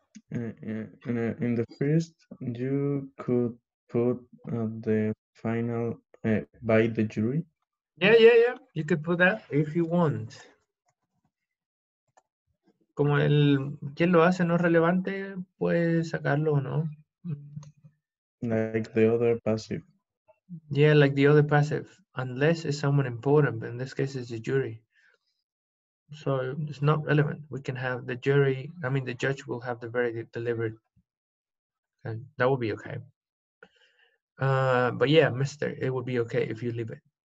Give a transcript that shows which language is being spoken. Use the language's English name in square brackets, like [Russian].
[English] In the first, you could put the final by the jury? Yeah. You could put that if you want. [Spanish] Como el quien lo hace no es relevante, puede sacarlo o no. [English] Like the other passive. Yeah, like the other passive. Unless it's someone important, but in this case it's the jury. So it's not relevant. We can have the jury, I mean the judge will have the verdict delivered. And that would be okay. But yeah, mister, it would be okay if you leave it.